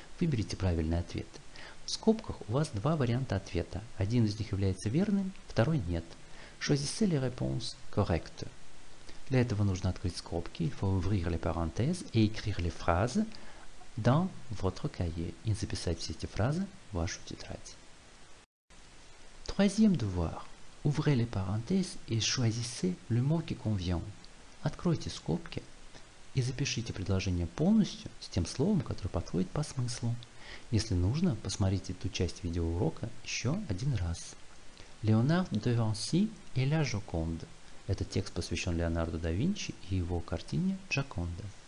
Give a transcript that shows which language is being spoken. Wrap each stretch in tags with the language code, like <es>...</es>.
<ru>Выберите правильный ответ. В скобках у вас два варианта ответа. Один из них является верным, второй нет.</ru> <fr>Choisissez les réponses correctes.</fr> <ru>Для этого нужно открыть скобки,</ru> <fr>il faut ouvrir les parenthèses et écrire les phrases dans votre cahier.</fr> <ru>И записать все эти фразы в вашу тетрадь.</ru> <fr>Troisième devoir. Ouvrez les parenthèses et choisissez le mot qui convient.</fr> <ru>Откройте скобки и запишите предложение полностью с тем словом, которое подходит по смыслу. Если нужно, посмотрите ту часть видеоурока еще один раз. Леонард де Винси и ля Джоконда. Этот текст посвящен Леонардо да Винчи и его картине Джоконда.</ru>